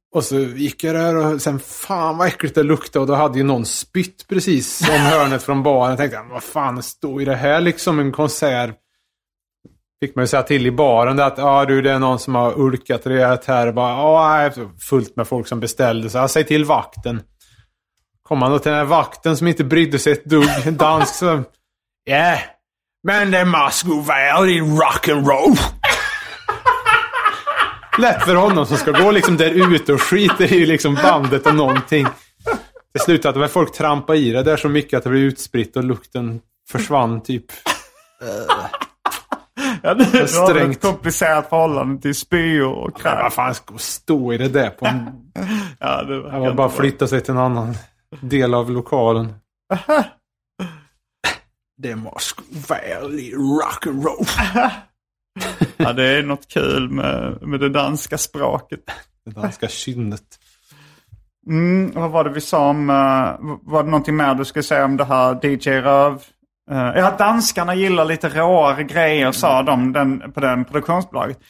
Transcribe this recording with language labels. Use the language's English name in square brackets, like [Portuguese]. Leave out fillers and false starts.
[Swedish] Och så gick jag där och sen, fan vad äckligt det luktade. Och då hade ju någon spytt precis om hörnet från baren. Jag tänkte, vad fan, står i det här liksom en konsert? Fick man ju säga till i baren där att, ja du, det är någon som har urkat rejält här. Och bara, fullt med folk som beställde. Så jag säger till vakten. Kom man då till den här vakten som inte brydde sig ett dugg, en dansk. Så, [English] yeah, [Swedish] men det [English] must go well in rock and roll. [Swedish] Lätt för honom som ska gå liksom där ute och skiter i liksom bandet och någonting. Det slutade med folk trampa i det där så mycket att det blev utspritt och lukten försvann typ. Ja, det var strängt. Ett komplicerat förhållande till spy och kräk. Vad fan ska stå i det där på en... Ja, det var, jag var bara flytta sig till en annan del av lokalen. Det [English] must go well in rock and roll. [Swedish] Ja, det är något kul med det danska språket. Det danska kynnet. Mm, vad var det vi sa om... Var det någonting mer du skulle säga om det här DJ Röv? Ja, danskarna gillar lite råare grejer, sa de på den produktionsbolaget.